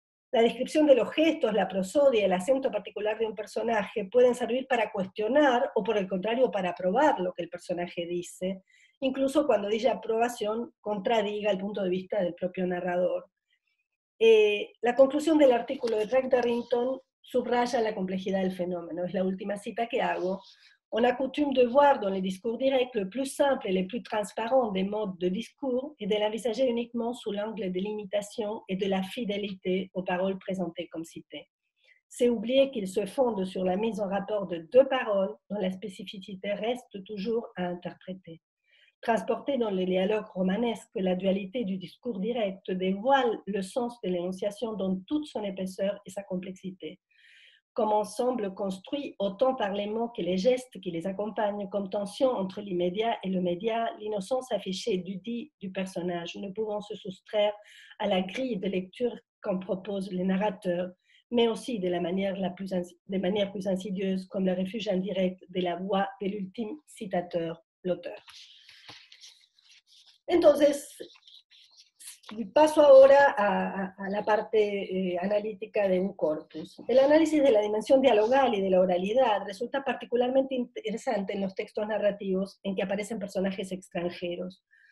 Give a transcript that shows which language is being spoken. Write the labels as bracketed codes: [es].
[es] La descripción de los gestos, la prosodia, el acento particular de un personaje pueden servir para cuestionar o, por el contrario, para aprobar lo que el personaje dice, incluso cuando dicha aprobación contradiga el punto de vista del propio narrador. La conclusión del artículo de Sprague Darrington subraya la complejidad del fenómeno. Es la última cita que hago. [fr] On a coutume de voir dans les discours directs le plus simple et le plus transparent des modes de discours et de l'envisager uniquement sous l'angle de l'imitation et de la fidélité aux paroles présentées comme citées. C'est oublier qu'il se fonde sur la mise en rapport de deux paroles dont la spécificité reste toujours à interpréter. Transportée dans les dialogues romanesques, la dualité du discours direct dévoile le sens de l'énonciation dans toute son épaisseur et sa complexité. Comme ensemble construit autant par les mots que les gestes qui les accompagnent, comme tension entre l'immédiat et le média, l'innocence affichée du dit du personnage ne pouvant se soustraire à la grille de lecture qu'en proposent les narrateurs, mais aussi de la manière plus insidieuse comme le refuge indirect de la voix de l'ultime citateur, l'auteur. [es] Entonces, paso ahora a la parte analítica de un corpus. El análisis de la dimensión dialogal y de la oralidad resulta particularmente interesante en los textos narrativos en que aparecen personajes extranjeros.